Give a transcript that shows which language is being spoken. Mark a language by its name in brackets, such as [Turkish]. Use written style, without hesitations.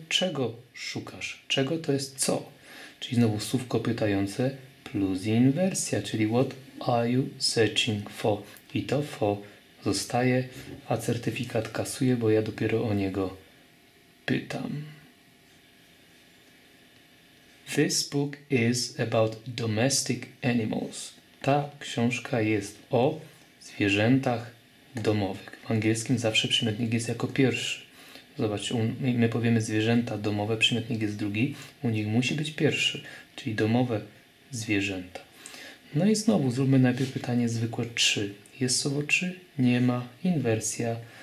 [Polish] Czego szukasz? Czego to jest co? Czyli znowu słówko pytające plus inwersja, czyli [English] what are you searching for? [Polish] I to for zostaje, a certyfikat kasuje, bo ja dopiero o niego pytam. [English] This book is about domestic animals. [Polish] Ta książka jest o zwierzętach domowych. W angielskim zawsze przymiotnik jest jako pierwszy. Zobacz, my powiemy zwierzęta domowe, przymiotnik jest drugi, u nich musi być pierwszy, czyli domowe zwierzęta. No i znowu zróbmy najpierw pytanie zwykłe, czy jest słowo czy, nie ma, inwersja.